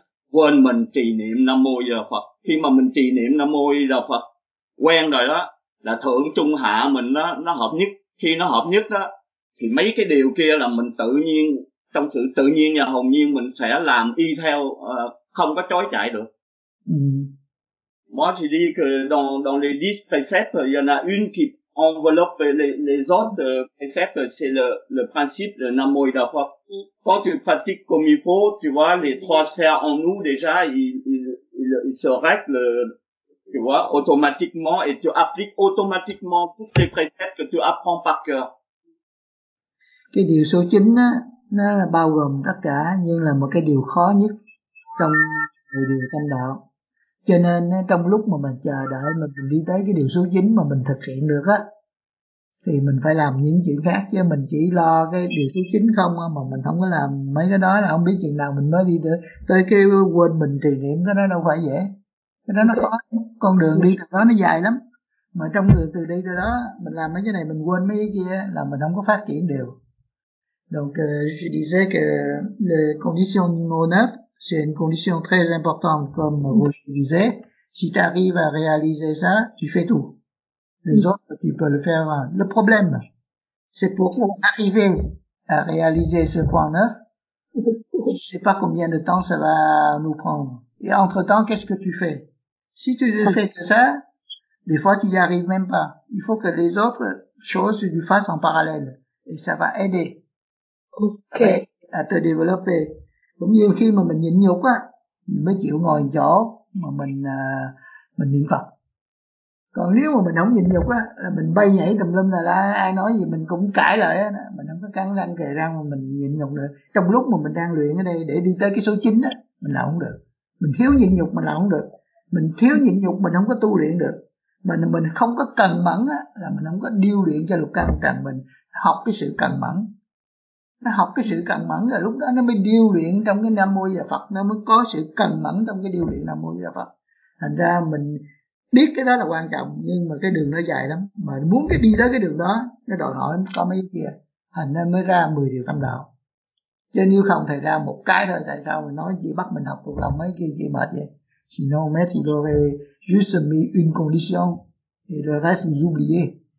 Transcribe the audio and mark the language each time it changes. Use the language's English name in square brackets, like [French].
[Vietnamese] quên mình trì niệm Nam Mô A Di Đà Phật. Khi mà mình trì niệm Nam Mô A Di Đà Phật quen rồi đó, là thượng trung hạ mình nó hợp nhất. Khi nó hợp nhất đó thì mấy cái điều kia là mình tự nhiên, trong sự tự nhiên và hồn nhiên mình sẽ làm y theo, không có chối chạy được. [French] Moi j'ai dit que dans les 10 préceptes, il y en a une qui enveloppe les autres préceptes, c'est le principe de Nam Mô A Di Đà Phật. Quand tu pratiques comme il faut, tu vois, les trois sphères en nous déjà, ils se règlent, tu vois, automatiquement, et tu appliques automatiquement tous les préceptes que tu apprends par cœur. [Vietnamese] Cái điều số 9 á, nó là bao gồm tất cả, nhưng là một cái điều khó nhất trong người địa tâm đạo. Cho nên trong lúc mà mình chờ đợi mà mình đi tới cái điều số 9 mà mình thực hiện được á, thì mình phải làm những chuyện khác, chứ mình chỉ lo cái điều số 9 không mà mình không có làm mấy cái đó là không biết chuyện nào mình mới đi được tới cái quên mình trì niệm. Cái đó đâu phải dễ, cái đó nó khó, con đường đi từ đó nó dài lắm. Mà trong đường từ đi tới đó mình làm mấy cái này mình quên mấy cái kia là mình không có phát triển được. [French] Donc je disais que les conditions numéro 9, c'est une condition très importante, comme vous disiez. Si tu arrives à réaliser ça, tu fais tout. Les autres, tu peux le faire. Le problème, c'est pour arriver à réaliser ce point 9, je ne sais pas combien de temps ça va nous prendre. Et entre-temps, qu'est-ce que tu fais? Si tu ne fais que ça, des fois, tu n'y arrives même pas. Il faut que les autres choses, tu le fasses en parallèle. Et ça va aider. Ok. À te développer. [Vietnamese] Cũng như khi mà mình nhịn nhục á, mình mới chịu ngồi chỗ mà mình niệm Phật. Còn nếu mà mình không nhịn nhục á, là mình bay nhảy tùm lum, là ai nói gì mình cũng cãi lại á, mình không có cắn răng kề răng mà mình nhịn nhục được. Trong lúc mà mình đang luyện ở đây để đi tới cái số 9 á, mình làm không được. Mình thiếu nhịn nhục mình làm không được. Mình thiếu nhịn nhục mình không có tu luyện được. Mình không có cần mẫn á, là mình không có điêu luyện cho lục căn trần mình học cái sự cần mẫn. Nó học cái sự cần mẫn rồi lúc đó nó mới điêu luyện trong cái Nam Mô A Di Đà Phật, nó mới có sự cần mẫn trong cái điêu luyện Nam Mô A Di Đà Phật. Thành ra mình biết cái đó là quan trọng, nhưng mà cái đường nó dài lắm, mà muốn cái đi tới cái đường đó nó đòi hỏi có mấy kia, thành ra mới ra 10 điều tâm đạo. Chứ nếu không thầy ra một cái thôi, tại sao mình nói chỉ bắt mình học thuộc lòng mấy kia chỉ mệt vậy. [French] Sinon mais il aurait juste mis une condition et le reste vous oubliez.